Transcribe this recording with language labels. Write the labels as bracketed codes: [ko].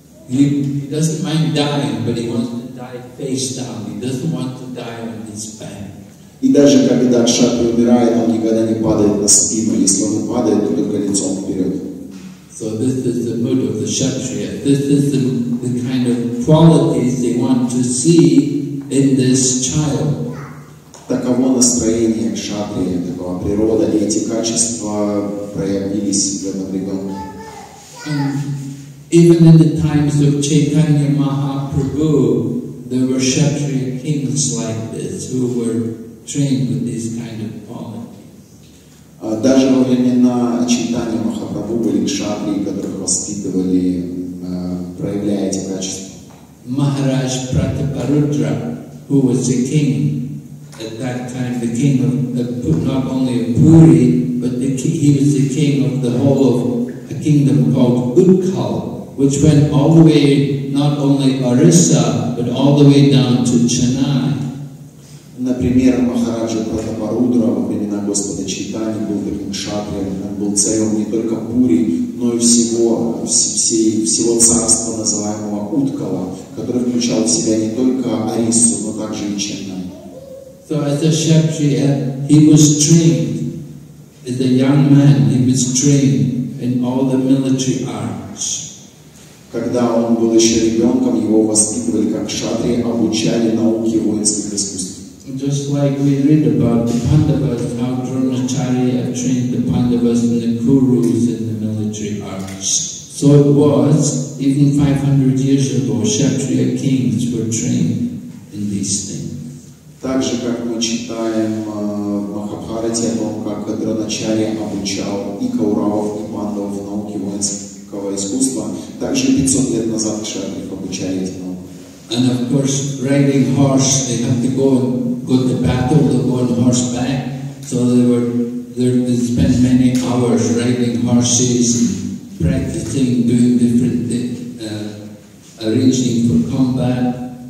[en] He doesn't mind dying, but he wants to die face down. He doesn't want to die on his back. [ru] И даже когда кшатрия умирает, он никогда не падает на спину. Если он падает, то только лицом вперед. [en] So this is the mood of the kshatriya. This is the kind of qualities they want to see in this child. [ru] Таково настроение кшатрия, такова природа, и эти качества проявились в этом ребенке. [en] And even in the times of Chaitanya Mahaprabhu, there were kshatriya kings like this who were trained with these kind of qualities. [ru] Даже во времена Чайтаньи Махапрабху были кшатрии, которых воспитывали, проявляя эти качества. [en] Махарадж Пратапарудра, who was the king at that time, the king of not only of Puri, but he was the king of the whole of a kingdom called Utkal, which went all the way not only Orissa, but all the way down to Chennai. [ru] Например, Махараджа Пратапарудра во времена Господа Чайтаньи был таким кшатрием, он был царем не только Пури, но и всего царства, называемого Уткала, который включал в себя не только Ориссу, но также и Ченнай. [en] So as a kshatriya, he was trained, as a young man, he was trained in all the military arts. [ru] Когда он был еще ребенком, его воспитывали как кшатрия, обучали науке воинских искусств. [en] Just like we read about the Pandavas, how Dronacharya trained the Pandavas and the Kurus in the military arts. So it was, even 500 years ago, Kshatriya kings were trained in these things. [ru] Также, как мы читаем в Махабхарате, о том, как Дроначарья обучал и Кауравов, и Пандавов науке воинского искусства, также 500 лет назад кшатриев обучали эти науки. [en] And of course, riding horse, they have to go to battle, they go on horseback, so they spent many hours riding horses, practicing, doing different things, arranging for combat.